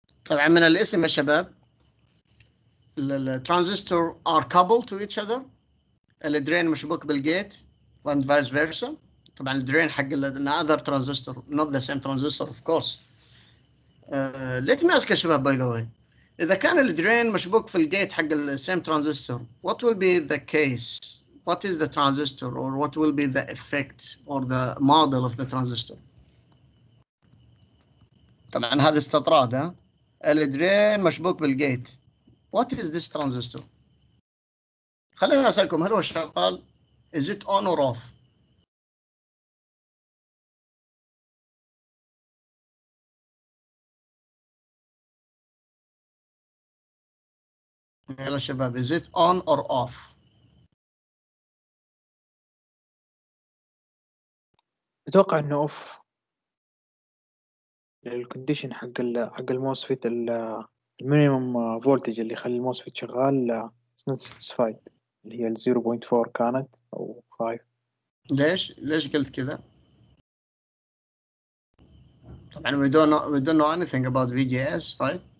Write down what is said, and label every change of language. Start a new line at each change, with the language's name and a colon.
Arabic: طبعا من الاسم يا شباب الترانزستور
English: are coupled to each other
Arabic: الدرين مشبوك بالجيت
English: and vice versa
Arabic: طبعا الدرين حق
English: another transistor not the same transistor of course let me ask
Arabic: يا شباب
English: by the way
Arabic: إذا كان الدرين مشبوك في الجيت حق الـ
English: same transistor, what will be the case? What is the transistor or what will be the effect or the model of the transistor?
Arabic: طبعاً هذا استطراد, ها؟ الدرين مشبوك بالجيت.
English: What is this transistor?
Arabic: خلينا نسألكم, هل هو شغال؟
English: Is it on or off?
Arabic: يلا شباب,
English: is it on or off?
Arabic: اتوقع انه off. الكونديشن حق الموسفيت المينيمم فولتج اللي يخلي الموسفيت شغال
English: is not satisfied,
Arabic: اللي هي 0.4 كانت او 5. ليش قلت كذا؟ طبعا
English: we don't know anything about VGS, right?